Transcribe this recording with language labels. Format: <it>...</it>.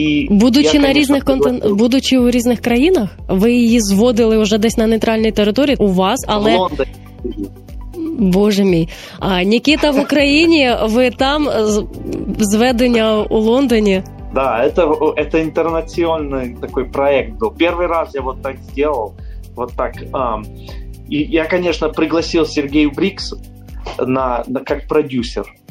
<uk>Будучи будучи у різних країнах, ви її зводили вже десь на нейтральній території у вас, але в Лондоні. Боже мій. А Нікіта в Україні, ви там зведення у Лондоні. Да,</uk> <ru>это</ru> <uk>інтернаціональний такий проект був. Перший раз я</uk> <ru>вот так сделал, вот так.</ru> <uk>І я,</uk> <ru>конечно,</ru> <uk>пригласив Сергія Брікса на як продюсер.</uk>